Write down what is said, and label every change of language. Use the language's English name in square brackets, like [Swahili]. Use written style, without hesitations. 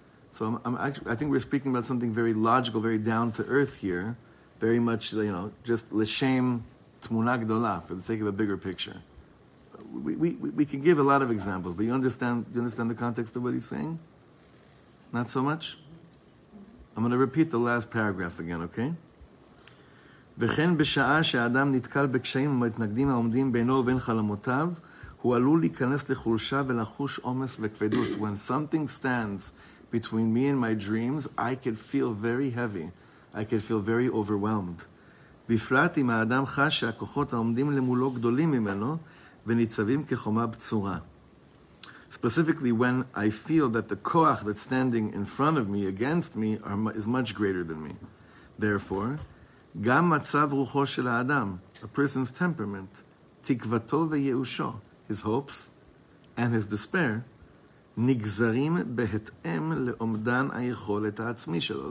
[English] So I think we're speaking about something very logical, very down to earth here, very much, you know, just [Hebrew] l'shem t'muna gdola, [English] for the sake of a bigger picture. We can give a lot of examples, but you understand the context of what he's saying? Not so much? I'm going to repeat the last paragraph again, okay? [Hebrew] וכן בשעה שאדם נתקל בקשיים ומתנגדים העומדים בינו ובין חלומותיו, הוא עלול להיכנס לחולשה ולחוש עומס וכבדות. [English] When something stands between me and my dreams, I could feel very heavy. I could feel very overwhelmed. [Hebrew] בפרט אם האדם חש שהכוחות העומדים למולו גדולים ממנו וניצבים כחומה בצורה. [English] Specifically, when I feel that the koach that's standing in front of me, against me, is much greater than me. Therefore, [Hebrew] גם מצב רוחו של האדם, [English] a person's temperament, [Hebrew] תקוותו וייאושו, [English] his hopes and his despair, [Hebrew] נגזרים בהתאם לעומדן היכולת העצמי שלו.